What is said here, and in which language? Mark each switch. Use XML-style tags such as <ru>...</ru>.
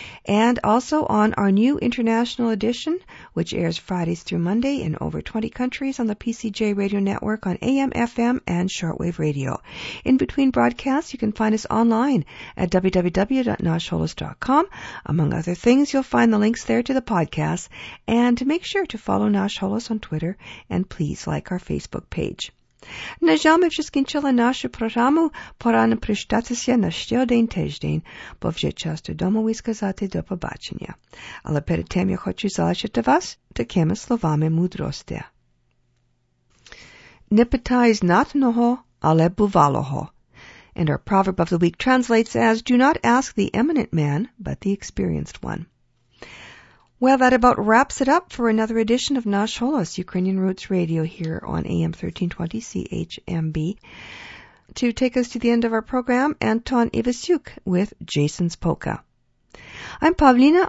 <en>And also on our new international edition, which airs Fridays through Monday in over 20 countries on the PCJ Radio Network on AM, FM, and shortwave radio. In between broadcasts, you can find us online at www.nashholos.com. Among other things, you'll find the links there to the podcast, and make sure to follow Nash Holos on Twitter, and please like our Facebook page.</en> <uk>Нажами вже скінчила нашу програму, пора не прощатися на ще один тиждень, бо вже час додому і сказати до побачення. Але перед тим я хочу залишити вас такими словами мудрості. Не питай знатного, але бувалого.</uk> <en>And our proverb of the week translates as, do not ask the eminent man, but the experienced one. Well, that about wraps it up for another edition of Nash Holos, Ukrainian Roots Radio, here on AM 1320 CHMB. To take us to the end of our program, Anton Ivasyuk with Jason's Polka. I'm Pavlina.</en>